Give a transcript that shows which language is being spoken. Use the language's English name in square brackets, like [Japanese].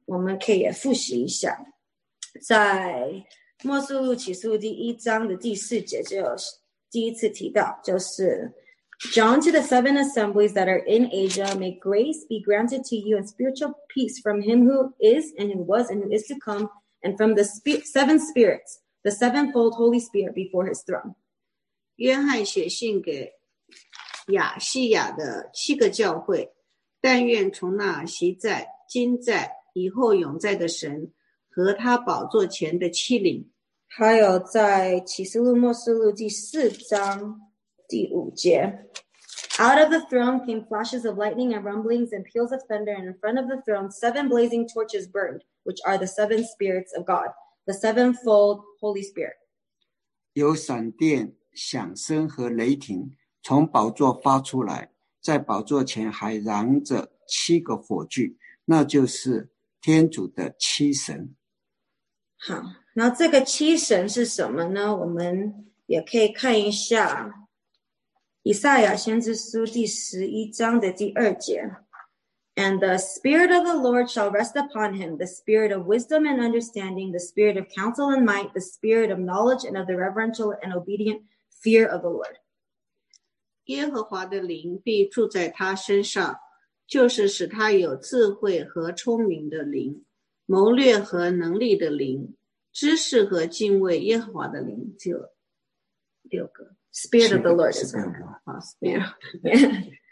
[Chinese] 我们可以也复习一下，在末世录启示录第一章的第四节就有第一次提到，就是 [English] John to the seven assemblies that are in Asia, may grace be granted to you and spiritual peace from him who is and who was and who is to come, and from the seven spirits, the sevenfold Holy Spirit before his throne. [Chinese] 约翰写信给亚细亚的七个教会，但愿从那昔在今在以后永在的神和他宝座前的七灵。还有在启示录末世录第四章第五节。 [English] Out of the throne came flashes of lightning and rumblings and peals of thunder, and in front of the throne seven blazing torches burned, which are the seven spirits of God, the sevenfold Holy Spirit. [Chinese] 有闪电、响声和雷霆从宝座发出来，在宝座前还燃着七个火炬，那就是天主的七神。好，那这个七神是什么呢？我们也可以看一下以赛亚先知书第十一章的第二节。 [English] And the spirit of the Lord shall rest upon him, the spirit of wisdom and understanding, the spirit of counsel and might, the spirit of knowledge and of the reverential and obedient fear of the Lord. [Chinese] 耶和华的灵必住在他身上，就是使他有智慧和聪明的灵，谋略和能力的灵，知识和敬畏耶和华的灵。就六个 [English] Spirit of the Lord is on the cross.